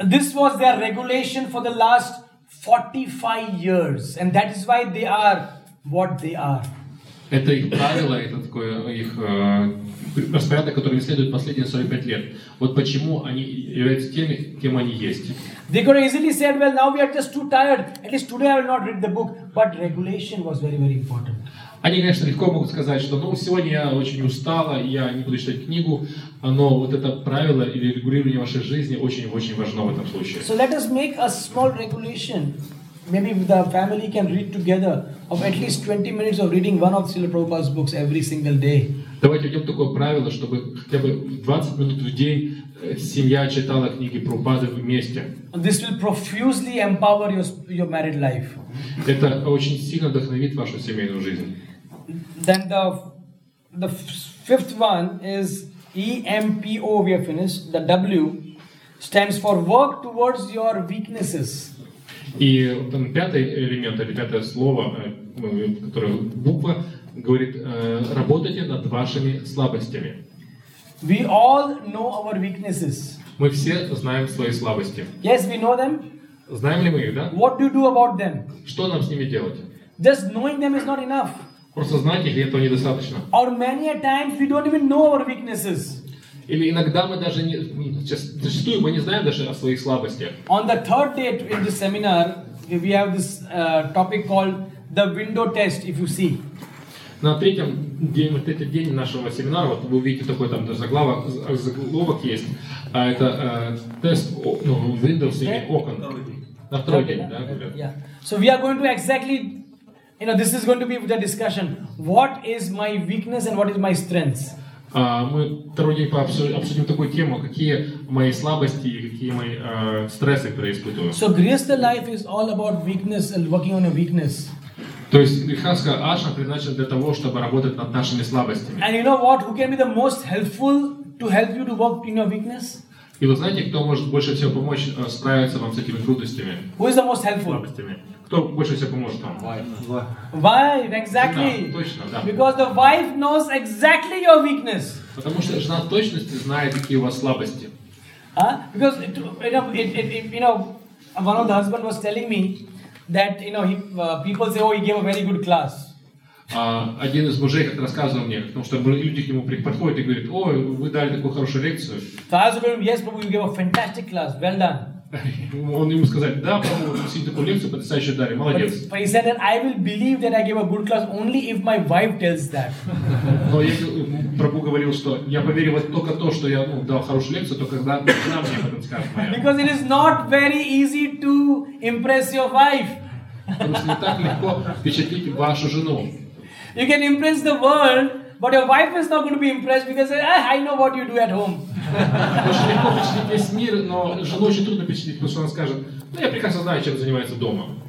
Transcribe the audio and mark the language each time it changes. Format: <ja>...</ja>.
<en>This was their regulation for the last 45 years, and that is why they are what they are.</en> <ru>Это их правило, это такое их распорядок, который они следуют последние 45 лет. Вот почему они являются теми, кем они есть.</ru> <en>They could easily said, well, now we are just too tired. At least today I will not read the book. But regulation was very, very important.</en> <ru>Они, конечно, легко могут сказать, что ну, сегодня я очень устала, я не буду читать книгу, но вот это правило или регулирование вашей жизни очень-очень важно в этом случае.</ru> <en>So let us make a small regulation. Maybe the family can read together of at least 20 minutes of reading one of Srila Prabhupada's books every single day.</en> <ru>Давайте введем такое правило, чтобы хотя бы 20 минут в день семья читала книги Прабхупады вместе.</ru> <en>This will profusely empower your married life.</en> <ru>Это очень сильно вдохновит вашу семейную жизнь.</ru> <en>Then the fifth one is EMPO, we have finished. The W stands for work towards your weaknesses.</en> <ru>И там пятый элемент, или пятое слово, которое буква, говорит, работайте над вашими слабостями.</ru> <en>We all know our weaknesses.</en> <ru>Мы все знаем свои слабости.</ru> <en>Yes, we know them.</en> <ru>Знаем ли мы их, да?</ru> <en>What do you do about them?</en> <ru>Что нам с ними делать?</ru> <en>Just knowing them is not enough.</en> <ru>Просто знать их, этого недостаточно.</ru> <en>Or many a times we don't even know our weaknesses.</en> <ru>Или иногда мы даже не, зачастую мы не знаем даже о своих слабостях.</ru> <en>On the third day in the seminar, we have this topic called the window test, if you see.</en> <ru>На третьем день, вот этот день нашего семинара, вот вы увидите такой там даже заголовок, есть, а это тест, ну, windows или окон. На второй день, да?</ru> <en>So we are going to exactly, you know, this is going to be the discussion. What is my weakness and what is my strength?</en> <ru>Мы второй день обсудим такую тему, какие мои слабости и какие мои стрессы, которые испытываю.</ru> <en>So, Grihastha life is all about weakness and working on your weakness.</en> <ru>То есть, Grihastha Ashram предназначен для того, чтобы работать над нашими слабостями.</ru> <en>And you know what? Who can be the most helpful to help you to work in your weakness?</en> <ru>И вы знаете, кто может больше всего помочь справиться вам с этими трудностями?</ru> <en>Who is the most helpful?</en> <ru>Кто больше всего поможет вам?</ru> <en>Wife, exactly.</en> <ru>Жена, точно, да.</ru> <en>Because the wife knows exactly your weakness.</en> <ru>Потому что жена в точности знает, какие у вас слабости.</ru> <en>Because you know, one of the husband was telling me that you know people say, oh, he gave a very good class.</en> <ru>Один из мужей как рассказывал мне, потому что люди к нему подходят и говорят, о, вы дали такую хорошую лекцию.</ru> <en>So I said, yes, but you gave a fantastic class. Well done.</en> <ru>Он ему сказал, да, получил такую лекцию, потрясающе дали, молодец.</ru> <en>But he said that I will believe that I gave a good class only if my wife tells that.</en> <ru>Но я Прабху говорил, что я поверю вот только то, что я дал хорошую лекцию, только когда она мне потом скажет.</ru> <en>Because it is not very easy to impress your wife.</en> <ru>Потому что не так легко впечатлить вашу жену.</ru> <en>You can impress the world, but your wife is not going to be impressed because I know what you do at home.</en> <ru>Очень легко впечатлить весь мир, но жену очень трудно впечатлить, потому что она скажет, ну я прекрасно знаю, чем занимается дома.</ru>